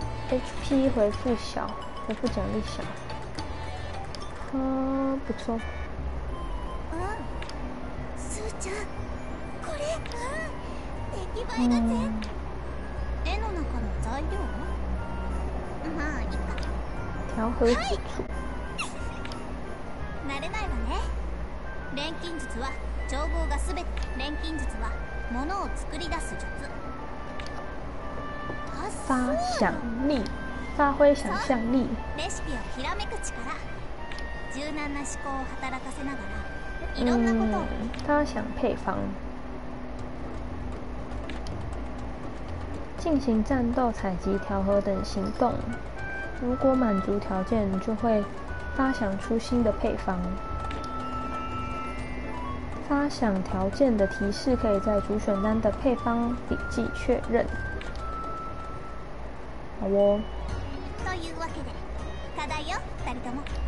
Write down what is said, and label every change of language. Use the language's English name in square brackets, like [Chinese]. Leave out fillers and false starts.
[Chinese] HP 回复小，回复奖励小，不错。 [Japanese] 嗯，スーちゃん、これ、うん、出来栄えが全。絵の中の材料？まあいいか。調和基礎。慣れないわね。錬金術は調合がすべて。錬金術は物を作り出す術。 [Chinese] 发想力，发挥想象力。 [Japanese] レシピをひらめく力、柔軟な思考を働かせながら、いろんなことを。 [Chinese] 发想配方，进行战斗、采集、调和等行动。如果满足条件，就会发想出新的配方。发想条件的提示可以在主选单的配方笔记确认。好哦。 [Japanese] というわけで、課題よ、二人とも。